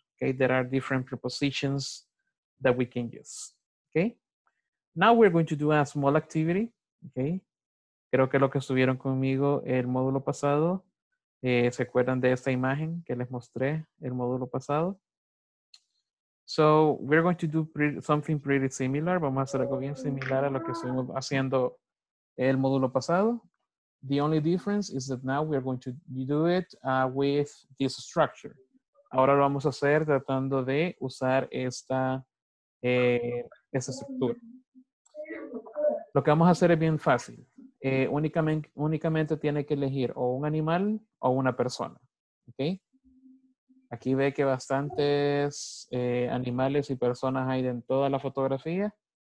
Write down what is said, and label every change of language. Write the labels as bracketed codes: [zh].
[en] Okay, there are different prepositions that we can use. Okay, now we're going to do a small activity. [es] Okay, creo que lo que estuvieron conmigo el módulo pasado, se acuerdan de esta imagen que les mostré el módulo pasado. [en] So we're going to do something pretty similar. [es] Vamos a hacer algo bien similar a lo que estuvimos haciendo el módulo pasado. [en] The only difference is that now we're going to do it with this structure. [es] Ahora lo vamos a hacer tratando de usar esta esa estructura. Lo que vamos a hacer es bien fácil. Únicamente tiene que elegir o un animal o una persona. ¿Okay? Aquí ve que bastantes animales y personas hay en toda la fotografía.